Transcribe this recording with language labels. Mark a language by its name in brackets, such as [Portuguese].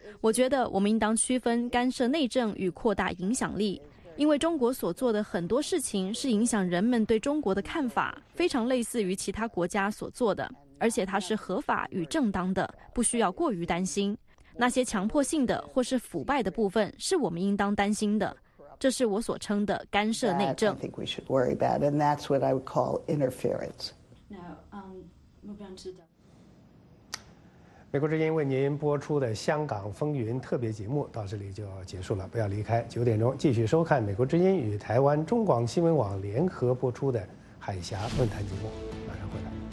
[Chinese] 我觉得我们应当区分干涉内政与扩大影响力，因为中国所做的很多事情是影响人们对中国的看法，非常类似于其他国家所做的，而且它是合法与正当的，不需要过于担心。那些强迫性的或是腐败的部分是我们应当担心的，这是我所称的干涉内政。 [English] I think we should worry about, and that's what I would call interference. Now, move on to the... [Chinese] 美国之音为您播出的《香港风云》特别节目到这里就要结束了，不要离开。九点钟继续收看美国之音与台湾中广新闻网联合播出的《海峡论坛》节目，马上回来。